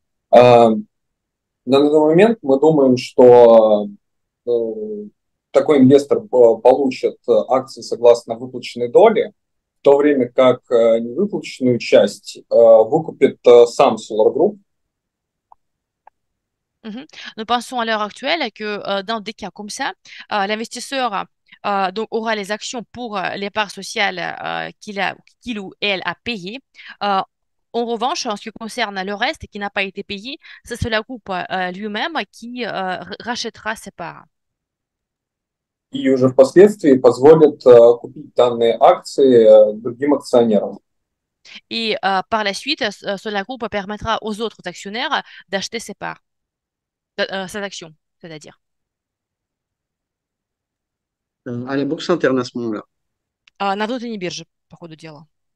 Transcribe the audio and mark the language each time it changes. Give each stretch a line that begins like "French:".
Russian: На данный момент мы думаем, что такой инвестор получит акции согласно выплаченной доле, в то время как невыплаченную часть выкупит сам Solar Group.
French: Nous pensons à l'heure actuelle que dans des cas comme ça, l'investisseur donc aura les actions pour les parts sociales qu'il ou elle a payées. En revanche, en ce qui concerne le reste qui n'a pas été payé, c'est Solar Group lui-même qui rachètera ses parts.
Russian: И уже впоследствии позволят купить данные акции другим акционерам.
French: Et par la suite, Solar Group permettra aux autres actionnaires d'acheter ses parts. Cette action, c'est-à-dire. À la bourse interne à ce moment-là.
Russian: На внутренней бирже, по ходу дела.